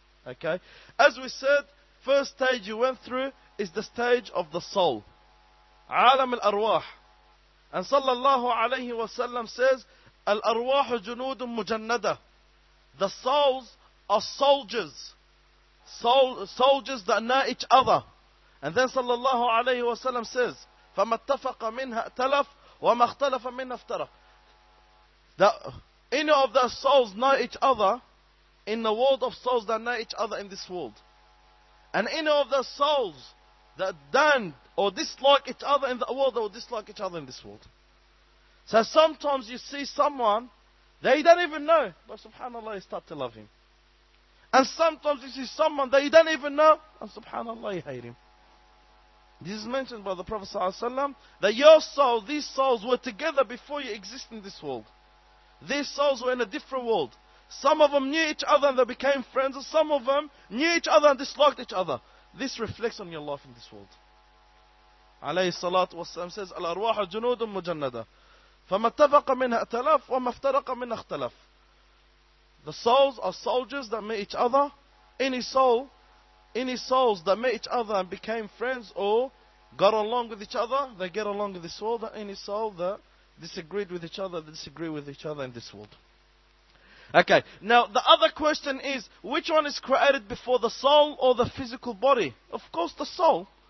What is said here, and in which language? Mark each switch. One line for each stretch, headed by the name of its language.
English: Okay, as we said, first stage you went through is the stage of the soul.
Arabic: عالم الأرواح.
English: And sallallahu alayhi wa sallam says,
Arabic: الأرواح جنود مجندة.
English: The souls are soldiers. Soldiers that know each other. And then sallallahu alayhi wa sallam says,
Arabic: فَمَا اتَّفَقَ مِنْهَا اَتَلَفَ وَمَا اخْتَلَفَ مِنْهَا افْتَرَفَ.
English: Any of those souls know each other in the world of souls that know each other in this world. And any of those souls that don't or dislike each other in the world, they will dislike each other in this world. So sometimes you see someone, they don't even know, but subhanAllah, you start to love him. And sometimes you see someone that you don't even know, and subhanAllah, you hate him. This is mentioned by the Prophet ﷺ, that your soul, these souls were together before you exist in this world. These souls were in a different world. Some of them knew each other and they became friends, and some of them knew each other and disliked each other. This reflects on your life in this world.
Arabic: Alayhi salatu wasalam says, الأرواح جنود مجندة فما اتفق منها اتلف وما افترق منها اختلف.
English: The souls are soldiers that meet each other. Any souls that met each other and became friends or got along with each other, they get along with this world. Any soul that disagreed with each other, they disagree with each other in this world. Okay, now the other question is, which one is created before, the soul or the physical body? Of course the soul.